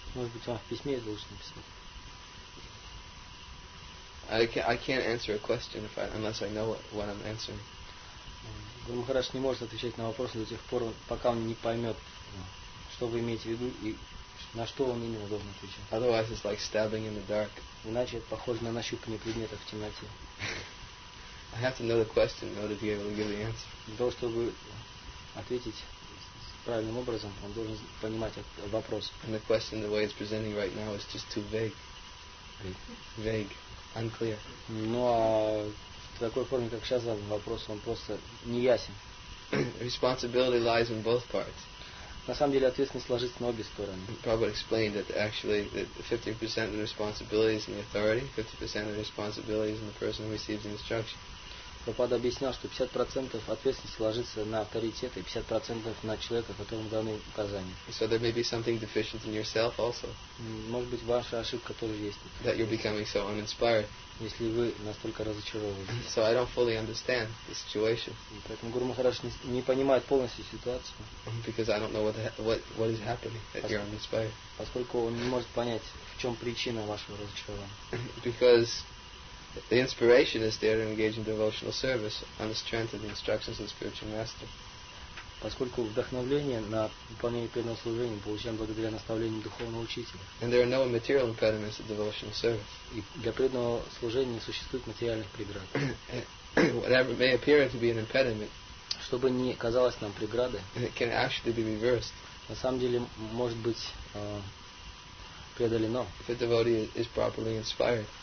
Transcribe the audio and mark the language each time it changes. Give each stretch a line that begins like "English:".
Russian: Может быть, в письме я должен написать.
English: I can't answer a question unless I know what I'm answering.
Russian: Гуру Махарадж не может отвечать на вопросы до тех пор, пока он не поймет, что вы имеете в виду и на что он именно должен отвечать.
English: Otherwise, it's like stabbing in the dark.
Russian: Иначе это похоже на нащупывание предмета в темноте.
English: I have to know the question in order to be able to give the answer.
Russian: Для того, чтобы ответить правильным образом, он должен понимать этот вопрос.
English: And the question, the way it's presenting right now, is just too vague. Vague. Unclear.
Russian: Ну, а в такой форме, как сейчас задан вопрос, он просто не ясен.
English: Responsibility lies in both parts.
Russian: На самом деле, ответственность ложится на обе стороны.
English: Prabhupada explained that actually that 50% of the responsibility is in the authority, 50% of the responsibility is in the person who receives the instruction.
Russian: Прабхупада объяснял, что 50% ответственности ложится на авторитет и 50% на человека, которому даны указания.
English: So there may be something deficient in yourself also.
Russian: Может быть, ваша ошибка тоже есть.
English: That you're becoming so uninspired.
Russian: Если вы настолько разочарованы.
English: So I don't fully understand the situation.
Russian: Поэтому Гуру Махарадж не понимает полностью ситуацию.
English: Because I don't know what is happening, that you're uninspired.
Russian: Поскольку он не может понять, в чем причина вашего разочарования.
English: Because the inspiration is there to engage in devotional service on the strength of the instructions of the spiritual master.
Russian: Поскольку вдохновление на выполнение преданного служения получаем благодаря наставлению духовного учителя.
English: And there are no material impediments to devotional service.
Russian: И для преданного служения не существует материальных преград.
English: Whatever may appear to be an impediment,
Russian: чтобы не казалось нам преграды,
English: can actually be reversed.
Russian: На самом деле может быть преодолено.
English: If a devotee is properly inspired.